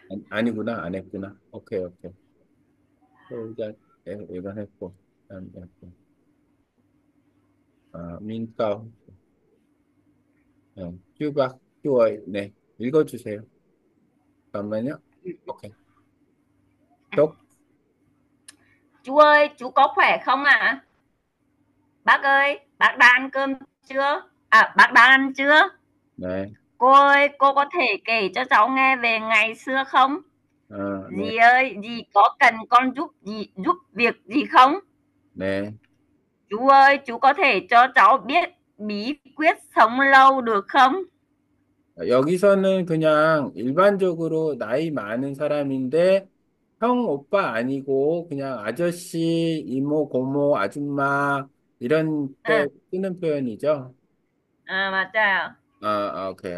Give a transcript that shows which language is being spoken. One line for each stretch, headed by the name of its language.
Korean: 아니구나 안 했구나 오케이 우리가 이거 했고 안 했고 아, 민카오. 응, 큐바, 큐어이, 네, 읽어주세요. 잠깐만요. 오케이. 독.
Vietnamese: Chú ơi, chú có khỏe không ạ? Bác ơi, bác đã ăn cơm chưa? À, bác đã ăn chưa? Né. Cô ơi, cô có thể kể cho cháu nghe về ngày xưa không? À, Dì ơi, dì có cần con giúp gì, giúp việc gì không? né. Chú ơi, chú có thể cho cháu biết bí quyết sống lâu được không?
Korean: 여기서는 그냥 일반적으로 나이 많은 사람인데 형 오빠 아니고 그냥 아저씨, 이모, 고모, 아줌마 이런 때 쓰는 표현이죠. 맞아요. 아, 오케이.